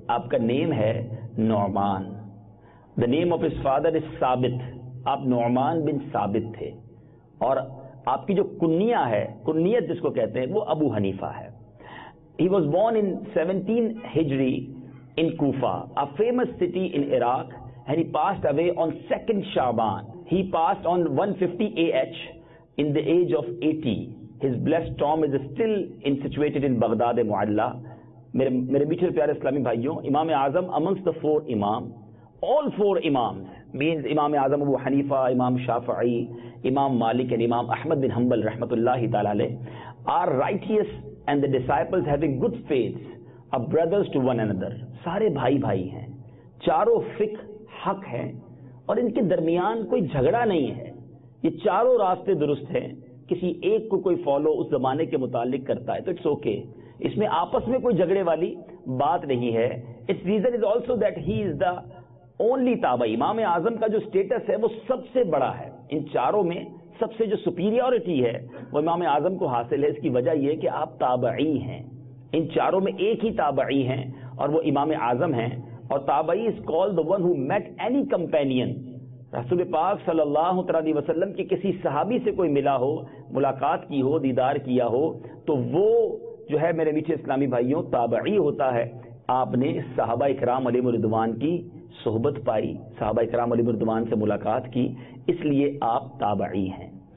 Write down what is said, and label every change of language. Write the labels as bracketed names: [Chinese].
[Urdu] آپ کا نیم ہے نعمان. [English] The name of his father is Thabit. [Urdu] آپ نعمان بن ثابت تھے، اور آپ کی جو کنیا ہے، کنیت جس کو کہتے ہیں، وہ ابو حنیفہ ہے. [English] He was born in 17 ہجری in Kufa, a famous city in Iraq. And he passed away on 2nd Shaban. He passed on 150 AH in the age of 80. His blessed tomb is still situated in Baghdad-e-Mualla. [Urdu] میرے میٹھے پیارے اسلامی بھائیوں، [English] Imam Azam amongst the four imam, all four imams, means Imam Azam Abu Hanifa, Imam Shafi, Imam Malik and Imam Ahmad bin Hanbal رحمۃ اللہ تعالیٰ علیہ، are righteous and the disciples having good faiths, are brothers to one another. [Urdu] سارے بھائی بھائی ہیں، چاروں فقہ حق ہیں، اور ان کے درمیان کوئی جھگڑا نہیں ہے. یہ چاروں راستے درست ہیں، کسی ایک کو کوئی فالو اس زمانے کے متعلق کرتا ہے تو [English] it's okay, [Urdu] اس میں آپس میں کوئی جھگڑے والی بات نہیں ہے. [English] It's reason is also that he is the only تابعی. [Urdu] امام اعظم کا جو اسٹیٹس ہے وہ سب سے بڑا ہے، ان چاروں میں سب سے جو سپیریورٹی ہے وہ امام اعظم کو حاصل ہے. اس کی وجہ یہ کہ آپ تابعی ہیں، ان چاروں میں ایک ہی تابعی ہیں اور وہ امام اعظم ہیں. اور [English] تابعی is called the one who met any companion. [Urdu] رسول پاک صلی اللہ تعالی وسلم کے کسی صحابی سے کوئی ملا ہو، ملاقات کی ہو، دیدار کیا ہو، تو وہ جو ہے میرے میٹھے اسلامی بھائیوں تابعی ہوتا ہے. آپ نے صحابہ اکرام علی مردوان کی صحبت پائی، صحابہ اکرام علی مردوان سے ملاقات کی، اس لیے آپ تابعی ہیں.